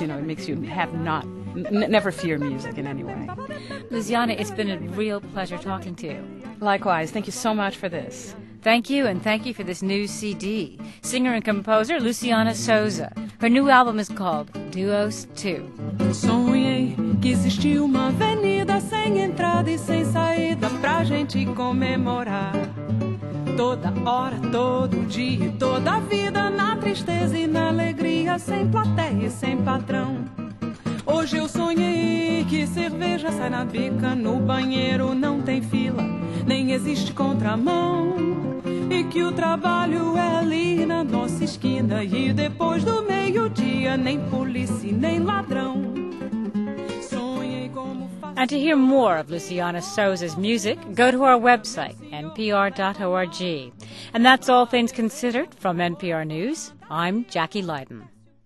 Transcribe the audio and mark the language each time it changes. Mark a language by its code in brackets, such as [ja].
[en] You know, it makes you never fear music in any way. Luciana, it's been a real pleasure talking to you. Likewise. Thank you so much for this. Thank you, and thank you for this new CD. Singer and composer Luciana Souza. Her new album is called Duos 2. [pt] Sonhei que existia uma avenida sem entrada e sem saída pra gente comemorar. Toda hora, todo dia, toda vida na tristeza e na alegria, sem plateia e sem patrão. Hoje eu sonhei que cerveja sai na bica, no banheiro não tem fila, nem existe contramão. E que o trabalho é ali na nossa esquina, e depois do meio-dia nem polícia nem ladrão. [en] And to hear more of Luciana Souza's music, go to our website, npr.org. And that's All Things Considered from NPR News. I'm Jackie Leiden.